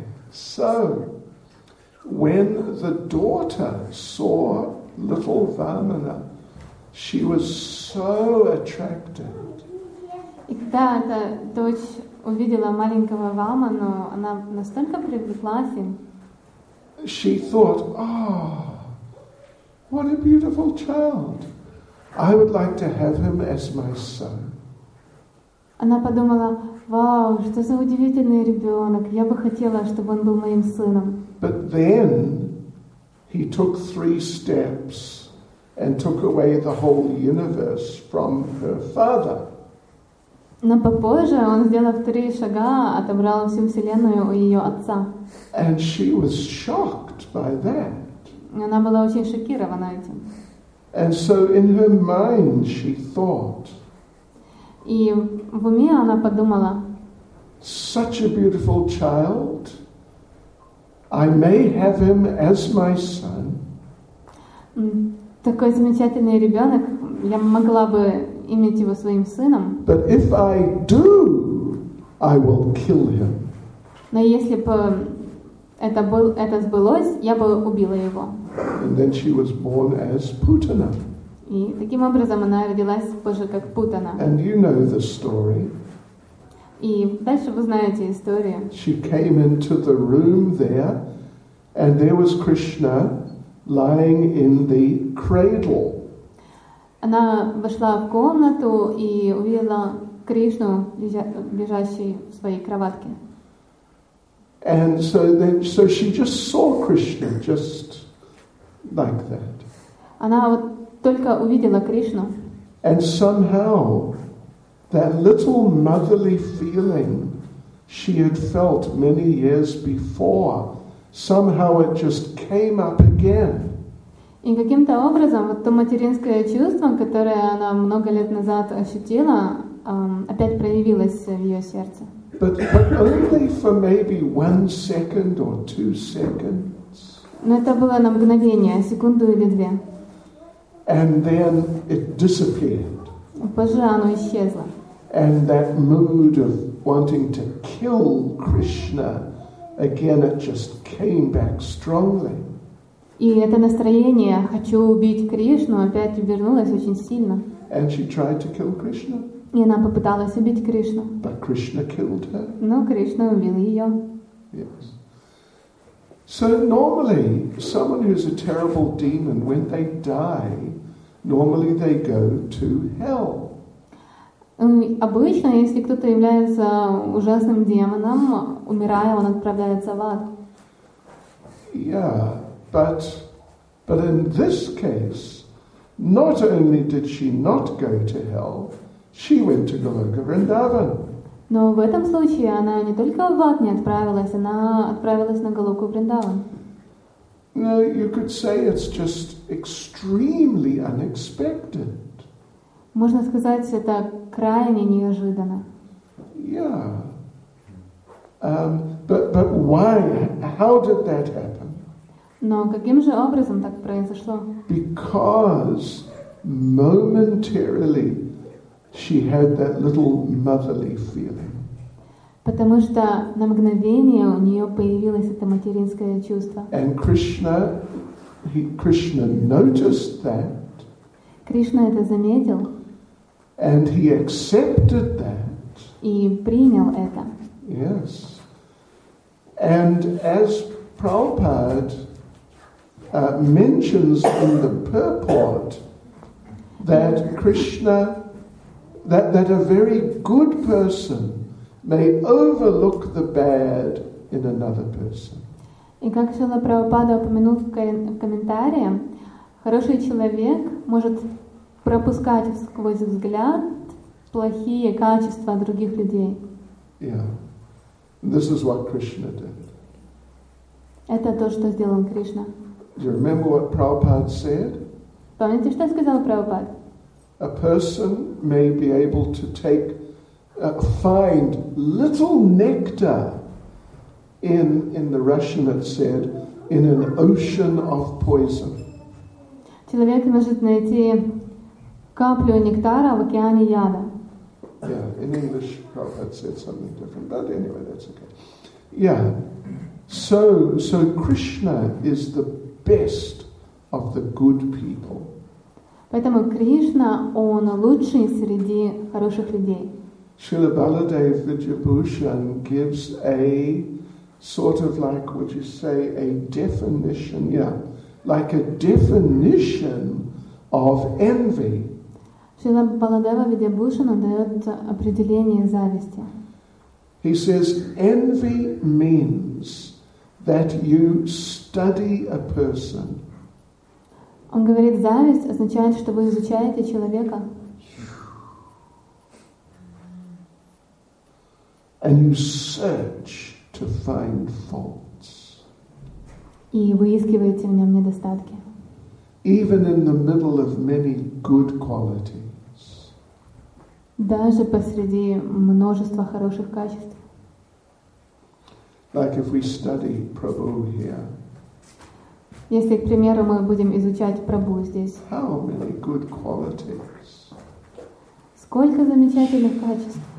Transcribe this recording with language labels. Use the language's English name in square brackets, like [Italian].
[English] So, when the daughter saw little Vamana, she was so attracted. [Russian] И когда эта дочь увидела маленького Ваману, она настолько привлеклась им. [English] She thought, "Oh, what a beautiful child! I would like to have him as my son." [Russian] Она подумала, "Вау, что за удивительный ребенок! Я бы хотела, чтобы он был моим сыном." [English] But then he took 3 steps and took away the whole universe from her father. [Russian] Но попозже он, сделав 3 шага, отобрал всю вселенную у ее отца. [English] And she was shocked by that. [Russian] Она была очень шокирована этим. [English] And so in her mind she thought. [Russian] И в уме она подумала. [English] Such a beautiful child. I may have him as my son. [Russian] Такой замечательный ребенок. Я могла бы иметь его своим сыном. [English] But if I do, I will kill him. [Russian] Но если бы это сбылось, я бы убила его. [English] And then she was born as Putana. [Russian] И таким образом она родилась позже как Путана. [English] And you know the story. [Russian] И дальше вы знаете историю. [English] She came into the room there, and there was Krishna lying in the cradle. [Russian] Она вошла в комнату и увидела Кришну, лежащий в своей кроватке. [English] And so she just saw Krishna just like that. [Russian] Она вот только увидела Кришну. [English] And somehow that little motherly feeling she had felt many years before, somehow it just came up again. [Russian] И каким-то образом вот то материнское чувство, которое она много лет назад ощутила, опять проявилось в ее сердце. [English] But only for maybe 1 second or 2 seconds. [Russian] Но это было на мгновение, секунду или две. [English] And then it disappeared. [Russian] Позже оно исчезло. [English] And that mood of wanting to kill Krishna, again it just came back strongly. [Russian] И это настроение «хочу убить Кришну» опять вернулось очень сильно. [English] And she tried to kill Krishna. [Russian] И она попыталась убить Кришну. [English] But Krishna killed her. [Russian] Но Кришна убил ее. [English] Yes. So normally, someone who's a terrible demon, when they die, normally they go to hell. [Russian] Обычно, если кто-то является ужасным демоном, умирая, он отправляется в ад. [English] Yeah. But in this case, not only did she not go to hell, she went to Goloka Vrindavan. [Russian] Но в этом случае она не только в ад не отправилась, она отправилась на Голоку Вриндаван. [English] No, you could say it's just extremely unexpected. [Russian] Можно сказать, это крайне неожиданно. [English] Yeah. But why? How did that happen? [Russian] Но каким же образом так произошло? [English] Because momentarily she had that little motherly feeling. [Russian] Потому что на мгновение у нее появилось это материнское чувство. [English] And Krishna noticed that. [Russian] Кришна это заметил. [English] And he accepted that. [Russian] И принял это. [English] Yes. And as Prabhupada mentions in the purport that Krishna, that a very good person may overlook the bad in another person. [Russian] И как Шрила Прабхупада упомянул в комментарии, хороший человек может пропускать сквозь взгляд плохие качества других людей. [English] Yeah. This is what Krishna did. [Russian] Это то, что сделал Кришна. [English] Do you remember what Prabhupada said? [Russian] Помните, что сказал Прабхупад? [English] A person may be able to take, find little nectar in the Russian it said, in an ocean of poison. [Russian] Человек может найти каплю нектара в океане яда. [English] Yeah, in English, Prabhupada said something different, but anyway, that's okay. Yeah, so Krishna is the best of the good people. [Russian] Поэтому Кришна, он лучший среди хороших людей. [English] Srila Baladev Vidyabhushan gives a sort of like, would you say, a definition, yeah, like a definition of envy. [Russian] Srila Baladeva Vidyabhushana дает определение зависти. [English] He says, envy means that you study a person. [Russian] Он говорит, зависть означает, что вы изучаете человека. [English] And you search to find faults. [Russian] И выискиваете в нем недостатки. [English] Even in the middle of many good qualities. [Russian] Даже посреди множества хороших качеств. [English] Like if we study Prabhu here. [Russian] Если, к примеру, мы будем изучать Прабху здесь. [English] How many good qualities? [Russian] Сколько замечательных качеств?